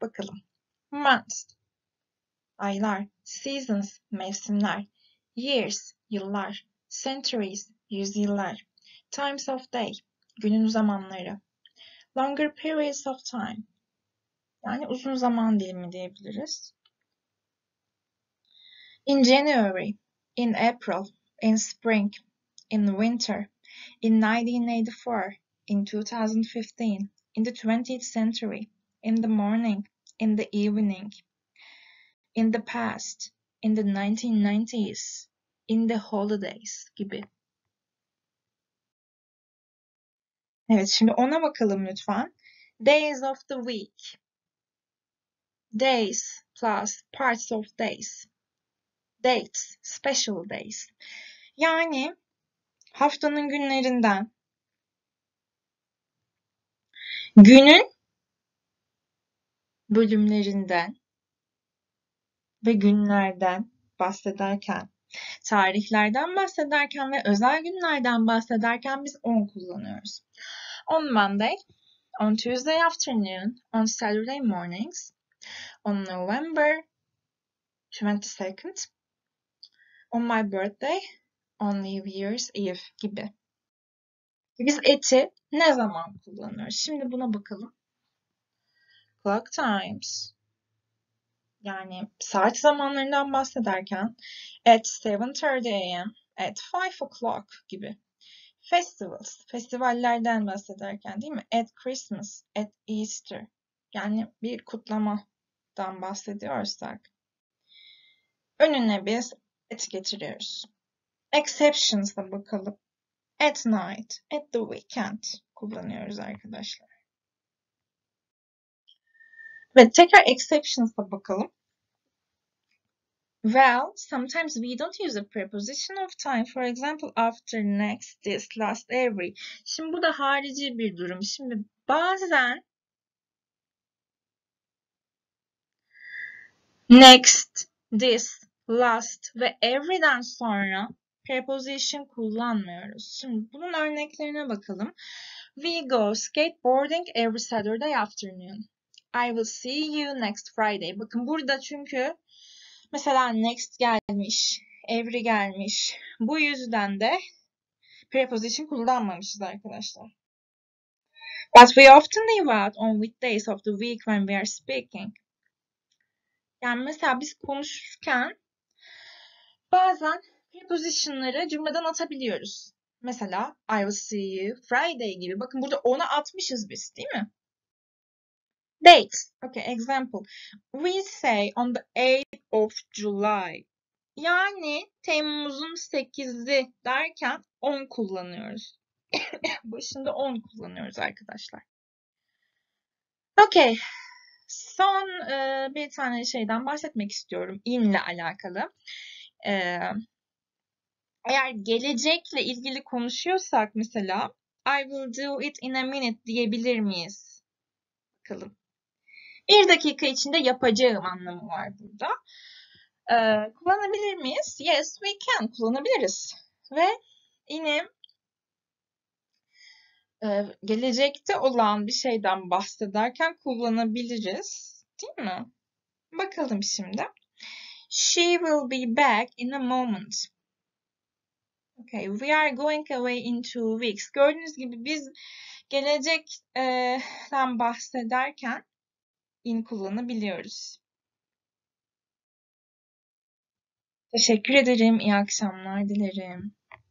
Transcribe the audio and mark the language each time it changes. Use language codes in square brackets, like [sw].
[tr] Bakalım. Months, aylar. Seasons, mevsimler. Years, yıllar. Centuries, yüzyıllar. [en] Times of day, [tr] günün zamanları. [en] Longer periods of time, [tr] yani uzun zaman dilimi diyebiliriz. [en] In January, in April, in spring, in winter, in 1984, in 2015. In the 20th century, in the morning, in the evening, in the past, in the 1990s, in the holidays gibi. [tr] Evet, şimdi ona bakalım lütfen. [en] Days of the week. Days plus parts of days. Dates, special days. [tr] Yani haftanın günlerinden. Günün bölümlerinden ve günlerden bahsederken, tarihlerden bahsederken ve özel günlerden bahsederken biz on kullanıyoruz. [en] On Monday, on Tuesday afternoon, on Saturday mornings, on November 22nd, on my birthday, on New Year's Eve gibi. [tr] Biz eti ne zaman kullanıyoruz? Şimdi buna bakalım. [en] Clock times. [tr] Yani saat zamanlarından bahsederken [en] at 7:30 a.m., at 5 o'clock gibi. Festivals. [tr] Festivallerden bahsederken değil mi? [en] At Christmas, at Easter. [tr] Yani bir kutlamadan bahsediyorsak. Önüne biz et getiriyoruz. Exceptions'a bakalım. [en] At night, at the weekend [tr] kullanıyoruz arkadaşlar. Ve tekrar exceptions'a bakalım. [en] Well, sometimes we don't use a preposition of time. For example, after, next, this, last, every. [tr] Şimdi bu da harici bir durum. Şimdi bazen next, this, last ve every'den sonra preposition kullanmıyoruz. Şimdi bunun örneklerine bakalım. [en] We go skateboarding every Saturday afternoon. I will see you next Friday. [tr] Bakın burada çünkü mesela next gelmiş, every gelmiş. Bu yüzden de preposition kullanmamışız arkadaşlar. [en] But we often leave out on weekdays of the week when we are speaking. [tr] Yani mesela biz konuşurken bazen prepositionları cümleden atabiliyoruz. [en] Mesela I will see you Friday gibi. [tr] Bakın burada onu atmışız biz, değil mi? Dates. Okay, example. [en] We say on the 8th of July. [tr] Yani Temmuz'un 8'i derken 10 kullanıyoruz. Başında 10 kullanıyoruz arkadaşlar. Okay. Son bir tane şeyden bahsetmek istiyorum in'le alakalı. Eğer gelecekle ilgili konuşuyorsak mesela [en] I will do it in a minute [tr] diyebilir miyiz? Bakalım. Bir dakika içinde yapacağım anlamı var burada. Kullanabilir miyiz? [en] Yes, we can. [tr] Kullanabiliriz. Ve yine gelecekte olan bir şeyden bahsederken kullanabiliriz. Değil mi? Bakalım şimdi. [en] She will be back in a moment. Okay, we are going away in 2 weeks. [tr] Gördüğünüz gibi biz gelecekten bahsederken in kullanabiliyoruz. Teşekkür ederim. İyi akşamlar dilerim.